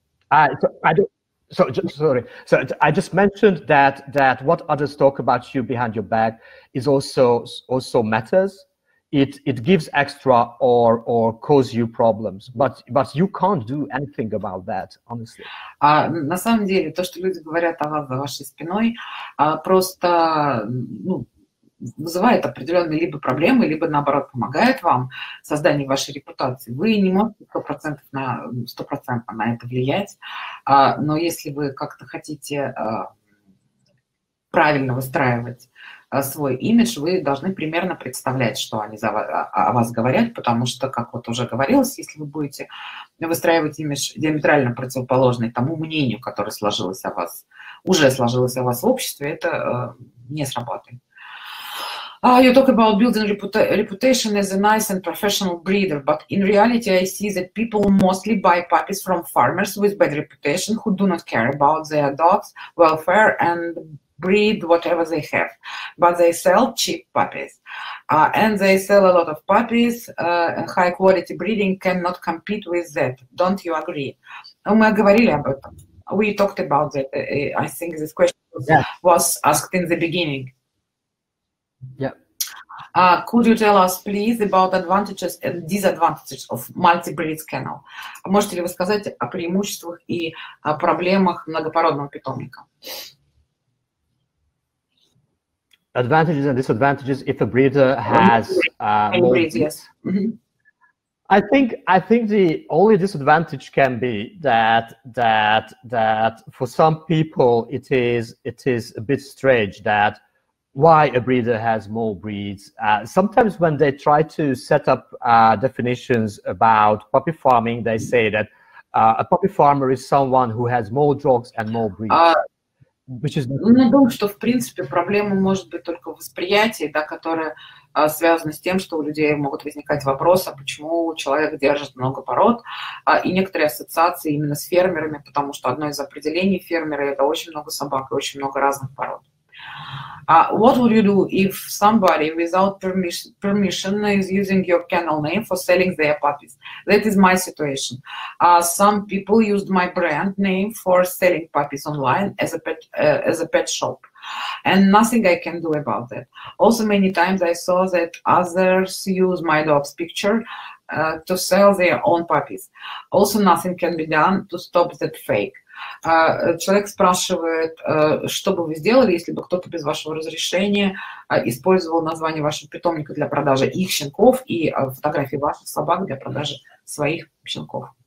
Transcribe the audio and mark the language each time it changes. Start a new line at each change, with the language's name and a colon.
English: I just mentioned that what others talk about you behind your back is also matters. It gives extra or cause you problems, but you can't do anything about that, honestly.
Russian: На самом деле, то, что люди говорят о вас за вашей спиной, просто вызывает определенные либо проблемы, либо наоборот помогает вам в создании вашей репутации. Вы не можете 100% на 100% на это влиять, но если вы как-то хотите правильно выстраивать свой имидж, вы должны примерно представлять, что они о вас говорят, потому что, как вот уже говорилось, если вы будете выстраивать имидж диаметрально противоположный тому мнению, которое сложилось о вас, уже сложилось о вас в обществе, это не сработает.
English: You talk about building reputation as a nice and professional breeder, but in reality I see that people mostly buy puppies from farmers with bad reputation who do not care about their dogs' welfare and breed whatever they have, but they sell cheap puppies, and they sell a lot of puppies. High quality breeding cannot compete with that. Don't you agree?
Russian: Мы говорили об этом.
English: We talked about that. I think this question was asked in the beginning. Yeah. Could you tell us, please, about advantages and disadvantages of multi-breed kennel?
Russian: Можете ли вы сказать о преимуществах и о проблемах многопородного питомника?
English: Advantages and disadvantages if a breeder has Yes. I think the only disadvantage can be that for some people it is a bit strange that why a breeder has more breeds. Sometimes when they try to set up definitions about puppy farming, they say that a puppy farmer is someone who has more dogs and more breeds.
Russian: Ну, думаю, что, в принципе, проблема может быть только в восприятии, да, которое связано с тем, что у людей могут возникать вопросы, почему человек держит много пород, и некоторые ассоциации именно с фермерами, потому что одно из определений фермера – это очень много собак и очень много разных пород.
English: What would you do if somebody without permission is using your kennel name for selling their puppies? That is my situation. Some people used my brand name for selling puppies online as a pet shop, and nothing I can do about that. Also, many times I saw that others use my dog's picture to sell their own puppies. Also, nothing can be done to stop that fake.
Russian: Человек спрашивает, что бы вы сделали, если бы кто-то без вашего разрешения использовал название вашего питомника для продажи их щенков и фотографии ваших собак для продажи своих щенков?